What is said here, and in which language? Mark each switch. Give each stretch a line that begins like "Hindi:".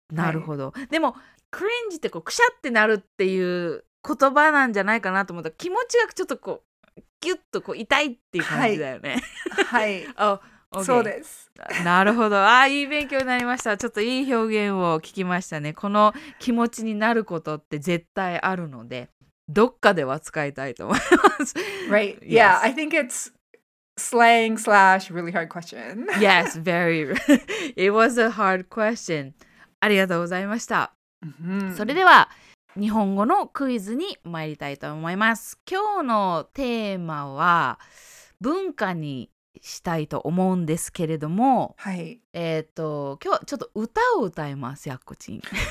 Japanese: なるほど、はい、でもクリンジってこうくしゃってなるっていう言葉なんじゃないかなと思った。気持ちがちょっとこうギュッとこう痛いっていう感じだよね。はい、はい、
English: Oh, okay.
Japanese: そうです。なるほど、あ、いい勉強になりました。ちょっといい表現を聞きましたね。この気持ちになることって絶対あるので、どっかでは使いたいと思います。
English: Right. Yeah, I think it's slang slash really hard question. Yes, very. It was a hard question.
Japanese: ありがとうございました。 Mm-hmm. それでは、日本語のクイズに参りたいと思います。今日のテーマは、文化にしたいと思うんですけれども、はい。今日はちょっと歌を歌います、やっこちん。